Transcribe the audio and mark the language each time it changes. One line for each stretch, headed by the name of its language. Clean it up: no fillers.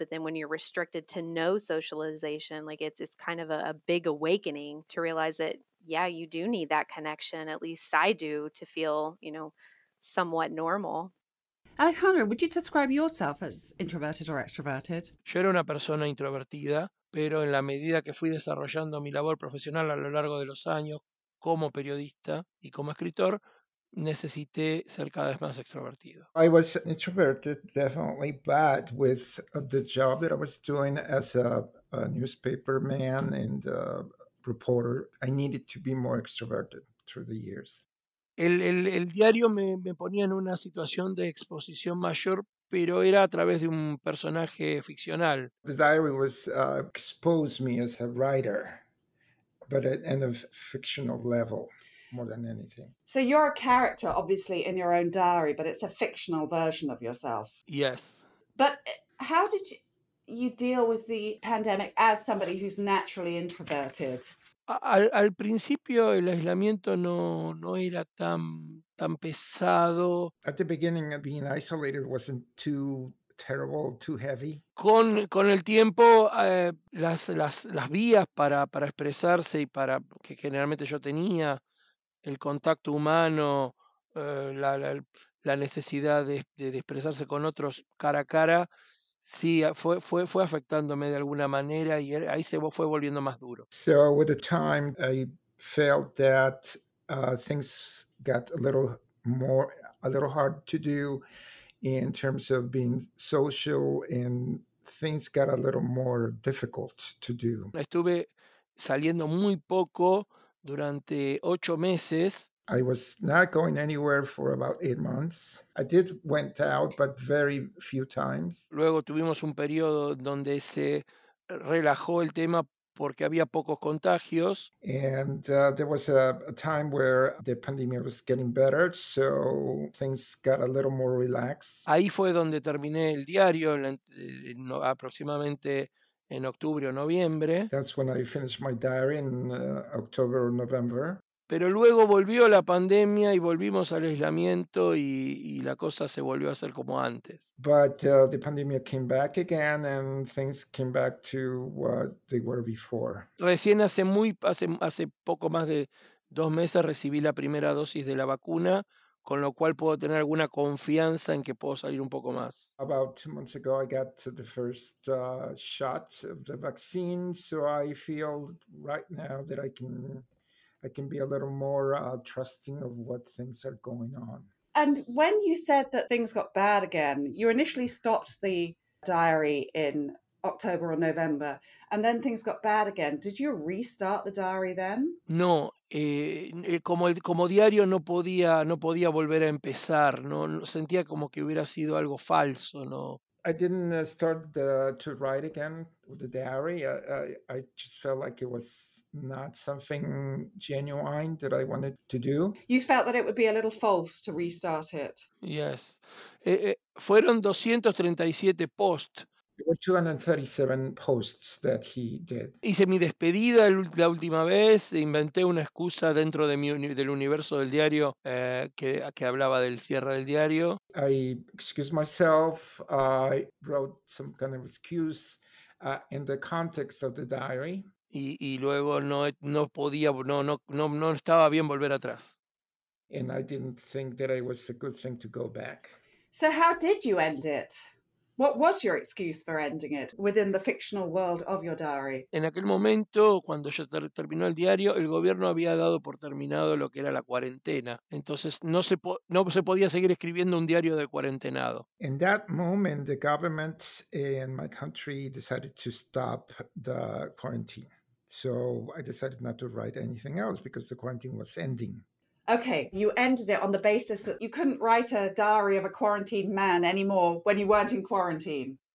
English: But then when you're restricted to no socialization, like it's kind of a big awakening to realize that, yeah, you do need that connection. At least I do, to feel, you know, somewhat normal. Alejandro, would you describe yourself as introverted or extroverted?
Spanish: Yo era una persona introvertida, pero en la medida que fui desarrollando mi labor profesional a lo largo de los años como periodista y como escritor, necesité ser cada vez más extrovertido.
English: I was introverted, definitely, but with the job that I was doing as a newspaper man and a reporter, I needed to be more extroverted through the years.
Spanish: El diario me ponía en una situación de exposición mayor, pero era a través de un personaje ficcional.
English: The diary was exposed me as a writer, but at a fictional level, more than anything. So you're a character, obviously, in your own diary, but it's a fictional version of yourself. Yes. But how did you deal with the pandemic as somebody who's naturally introverted?
Spanish: Al principio el aislamiento no era tan pesado.
English: At the beginning, being isolated wasn't too terrible, too heavy.
Spanish: Con el tiempo, las vías para expresarse y para que generalmente yo tenía, el contacto humano, la necesidad de expresarse con otros cara a cara, sí, fue afectándome de alguna manera, y ahí se fue volviendo más duro.
English: So with the time, I felt that things got a little hard to do in terms of being social, and things got a little more difficult to do.
Spanish: Estuve saliendo muy poco durante 8 meses.
English: I was not going anywhere for about 8 months. I did went out, but very few times.
Spanish: Luego tuvimos un periodo donde se relajó el tema porque había pocos contagios.
English: And there was a time where the pandemic was getting better, so things got a little more relaxed.
Spanish: Ahí fue donde terminé el diario, aproximadamente en octubre o noviembre.
English: That's when I finished my diary in October or November.
Spanish: Pero luego volvió la pandemia y volvimos al aislamiento y la cosa se volvió a hacer como antes.
English: But the pandemic came back again and things came back to what they were before.
Spanish: Recién hace poco más de 2 meses recibí la primera dosis de la vacuna, con lo cual puedo tener alguna confianza en que puedo salir un poco más.
English: About 2 months ago I got the first shot of the vaccine, so I feel right now that I can be a little more trusting of what things are going on. And when you said that things got bad again, you initially stopped the diary in October or November, and then things got bad again. Did you restart the diary then?
Spanish: No, como diario no podía volver a empezar. No, sentía como que hubiera sido algo falso, ¿no?
English: I didn't start to write again with the diary. I just felt like it was not something genuine that I wanted to do. You felt that it would be a little false to restart it.
Spanish: Yes. Fueron 237 posts.
English: There were 237 posts that he did.
Spanish: Hice mi despedida la última vez, inventé una excusa dentro de del universo del diario que hablaba del cierre del diario.
English: I excused myself, I wrote some kind of excuse in the context of the diary.
Spanish: Y luego no estaba bien volver atrás.
English: And I didn't think that it was a good thing to go back. So how did you end it? What was your excuse for ending it within the fictional world of your diary?
Spanish: En aquel momento, cuando ya terminó el diario, el gobierno había dado por terminado lo que era la cuarentena. Entonces no se podía seguir escribiendo un diario de cuarentenado.
English: In that moment, the government in my country decided to stop the quarantine. So I decided not to write anything else because the quarantine was ending. Okay, you ended it on the basis that you couldn't write a diary of a quarantined man anymore when you weren't in quarantine.